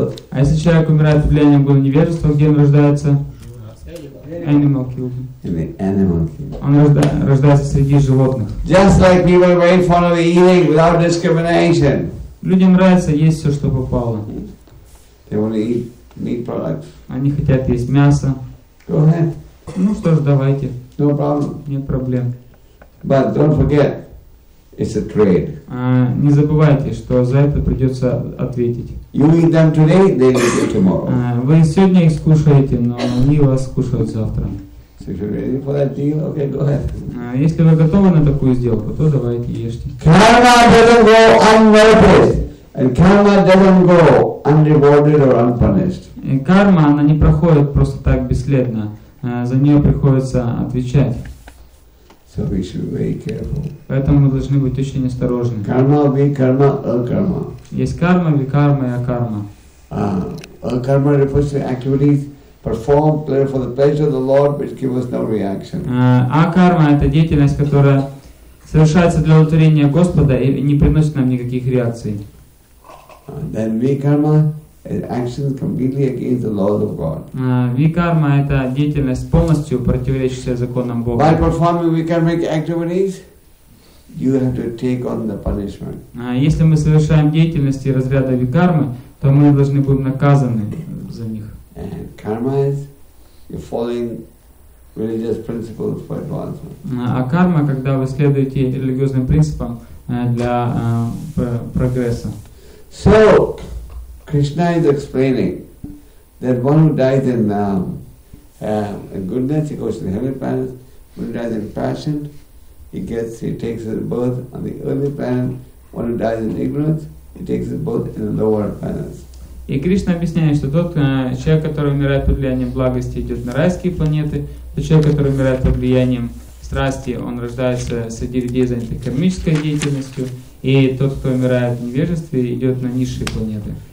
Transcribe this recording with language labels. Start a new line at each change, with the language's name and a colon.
Russian: А если человек умирает под влиянием года невежества, где он рождается?
English: Animal kingdom.
Russian: Он рождается среди животных.
English: Just like people make fun of eating without discrimination.
Russian: Людям нравится есть все, что попало.
English: They want to eat meat products.
Russian: Они хотят есть мясо.
English: Go ahead.
Russian: Ну что ж, давайте.
English: No problem.
Russian: Нет проблем.
English: But don't forget. It's a trade.
Russian: Не забывайте, что за это придется ответить.
English: You eat them today, they eat you tomorrow.
Russian: Вы сегодня их скушаете, но они вас скушают завтра.
English: So if you're ready for that deal, okay, go ahead.
Russian: Если вы готовы на такую сделку, то давайте ешьте.
English: Karma doesn't go unnoticed, and karma doesn't go unrewarded or unpunished.
Russian: Карма она не проходит просто так бесследно. За нее приходится отвечать.
English: So we should be very careful.
Russian: Поэтому мы должны быть очень осторожны. Карма, викарма, акарма. Есть карма, викарма и акарма.
English: Акарма refers to activities performed for the pleasure of the Lord, which give us no reaction.
Russian: Акарма – это деятельность, которая совершается для удовлетворения Господа и не приносит нам никаких реакций.
English: Then викарма is action completely against the laws of God.
Russian: Викарма – это деятельность, полностью противоречащая законам Бога.
English: By performing викармик activities, you have to take on the punishment.
Russian: Если мы совершаем деятельности разряда викармы, то мы должны будем наказаны за них.
English: And karma is you're following religious principles for advancement.
Russian: А карма – когда вы следуете религиозным принципам для прогресса.
English: So, Krishna is explaining that one who dies in goodness, he goes to the heavenly planet. One who dies in passion, he takes his birth on the earthly planet. One who dies in ignorance, he takes his birth in the lower planets.
Russian: И Кришна объясняет, что тот человек, который умирает под влиянием благости, идет на райские планеты. Тот человек, который умирает под влиянием страсти, он рождается среди людей, занятых кармической деятельностью. И тот, кто умирает в невежестве, идет на низшие планеты.